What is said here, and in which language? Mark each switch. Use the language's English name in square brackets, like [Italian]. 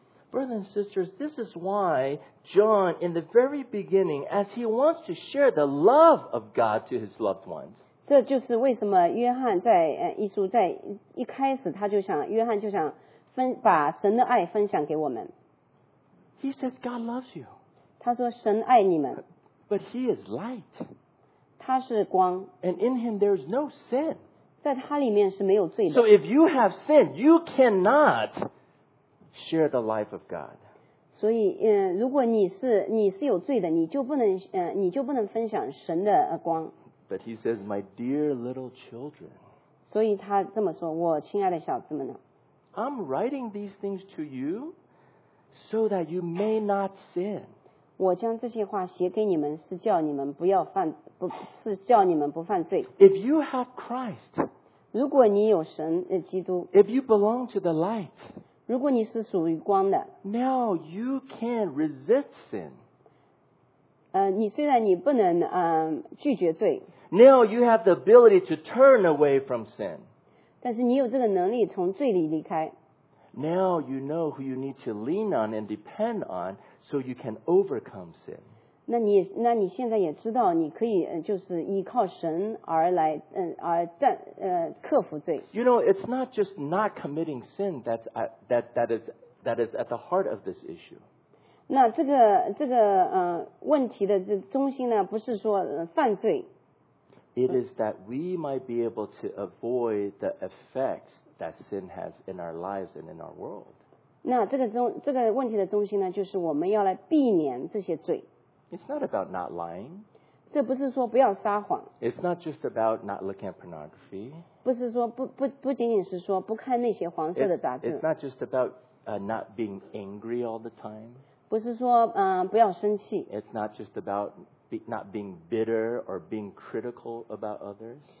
[English] Brothers and sisters, this is why John, in the very beginning, as he wants to share the love of God to his loved ones. [Chinese] 这就是为什么约翰在一书在一开始他就想约翰就想分把神的爱分享给我们。 [English] He says God loves you. [Chinese] 他说神爱你们。 [English] But he is light. [Chinese] 他是光。 [English] And in him there is no sin. [Chinese] 在他里面是没有罪的。 [English] So if you have sinned, you cannot share the life of God. [Chinese] 所以，如果你是有罪的，你就不能分享神的光。 [English] But he says, my dear little children. [Chinese] 所以他这么说，我亲爱的小子们呢。 [English] I'm writing these things to you so that you may not sin. [Chinese] 我将这些话写给你们是叫你们不要犯不是叫你们不犯罪。 [English] If you have Christ, [Chinese] 如果你有神基督 [English] if you belong to the light, [Chinese] 如果你是属于光的 [English] now you can resist sin. [Chinese] 你虽然你不能拒绝罪 [English] now you have the ability to turn away from sin. [Chinese] 但是你有这个能力从罪里离开。 [English] Now you know who you need to lean on and depend on so you can overcome sin. [Chinese] 那你现在也知道你可以就是依靠神而来而战克服罪。 [English] You know, it's not just not committing sin that is at the heart of this issue. [Chinese] 那这个问题的中心呢不是说犯罪。 [English] It is that we might be able to avoid the effects that sin has in our lives and in our world. [Chinese] 那这个问题的中心呢，就是我们要来避免这些罪。 [English] It's not about not lying. [Chinese] 这不是说不要撒谎。 [English] It's not just about not looking at pornography. [Chinese] 不是说不仅仅是说不看那些黄色的杂志。 [English] It's not just about not being angry all the time. [Chinese] 不是说不要生气。 [English] It's not just about not being bitter or being critical about others.